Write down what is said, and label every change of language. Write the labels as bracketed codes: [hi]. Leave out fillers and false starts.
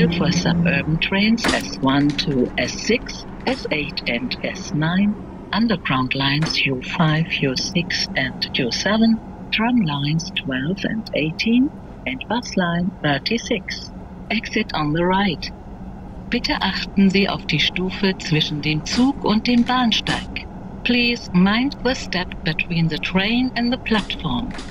[en] Suburban trains S1 to S6, S8 and S9, underground lines U5, U6 and U7, tram lines 12 and 18, and bus line 36. Exit on the right. [de] Bitte achten Sie auf die Stufe zwischen dem Zug und dem Bahnsteig. [en] Please mind the step between the train and the platform.